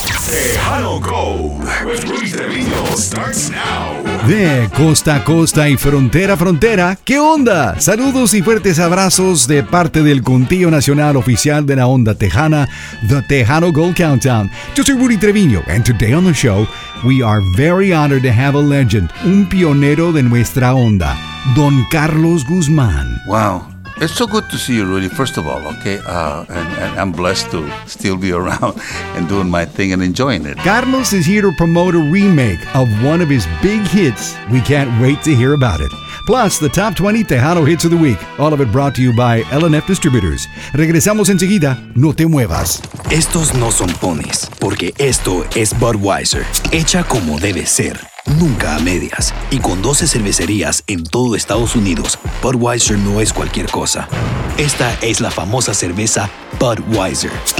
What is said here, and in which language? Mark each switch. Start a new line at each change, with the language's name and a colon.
English: Tejano Gold with Luis de Vino starts now.
Spanish: De costa a costa y frontera a frontera, ¿qué onda? Saludos y fuertes abrazos de parte del Contigo Nacional Oficial de la Onda Tejana, The Tejano Gold Countdown. Yo soy
English: Rudy Treviño, and today on the show, we are very honored to have a legend,
Spanish: un pionero de nuestra onda,
English: Don Carlos Guzmán. Wow, it's so good to see you, Rudy, first of all, okay? And I'm blessed to still be around and doing my thing and enjoying it. Carlos is here to promote a remake of one of his big hits. We can't wait to hear about it. Plus, the top 20 Tejano hits of the week. All of it brought to you by L&F Distributors.
Spanish: Regresamos enseguida. No te muevas. Estos no son ponies, porque esto es Budweiser. Hecha como debe ser. Nunca a medias. Y con 12 cervecerías en todo Estados Unidos, Budweiser no es cualquier cosa. Esta es la famosa cerveza Budweiser.